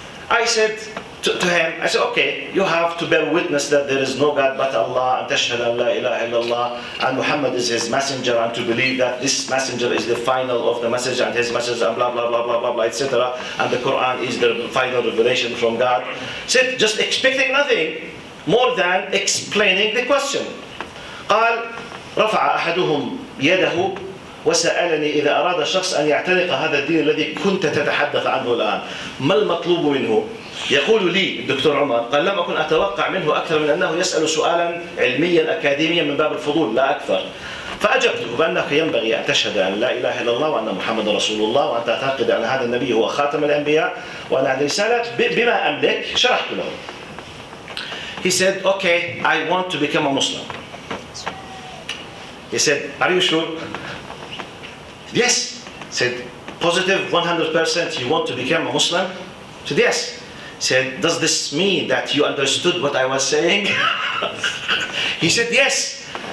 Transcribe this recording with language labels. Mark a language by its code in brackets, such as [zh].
[en] I said to him, I said, okay, you have to bear witness that there is no God but Allah, and [ar] tashhad an la ilaha illallah, [en] and Muhammad is his messenger, and to believe that this messenger is the final of the message, and his message, and blah, blah, blah, blah, blah, blah, etc. And the Quran is the final revelation from God. He said, just expecting nothing more than explaining the question. [ar] قال رفع أحدهم يده وسألني إذا أراد شخص أن يعتنق هذا الدين الذي كنت تتحدث عنه الآن ما المطلوب منه؟ يقول لي الدكتور عمر قال لم أكن أتوقع منه أكثر من أنه يسأل سؤالا علميا أكاديميا من باب الفضول لا أكثر فأجبته بأنك ينبغي أن تشهد أن لا إله إلا الله وأن محمد رسول الله وأن تعتقد أن هذا النبي هو خاتم الأنبياء وأن هذه رسالة بما أملك شرحت له. [en] He said okay I want to become a Muslim. He said are you sure? Yes. He said positive 100% you want to become a Muslim? He said yes. Said, does this mean that you understood what I was saying? He said, yes.